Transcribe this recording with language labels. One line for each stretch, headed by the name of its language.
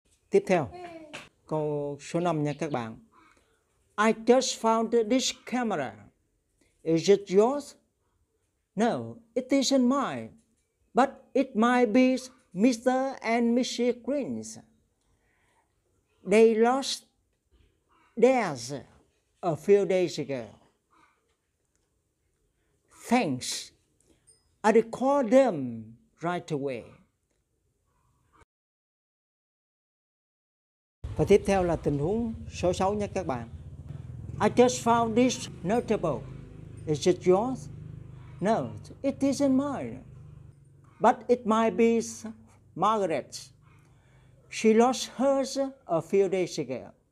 Vietnamese: Tiếp theo, câu số 5 nha các bạn.
English: I just found this camera. Is it yours? No, it isn't mine. But it might be Mr. and Mrs. Green's. They lost theirs a few days ago. Thanks. I'll call them right away.
Vietnamese: Và tiếp theo là tình huống số 6 nha các bạn.
English: I just found this notebook. Is it yours? No, it isn't mine. But it might be Margaret's. She lost hers a few days ago.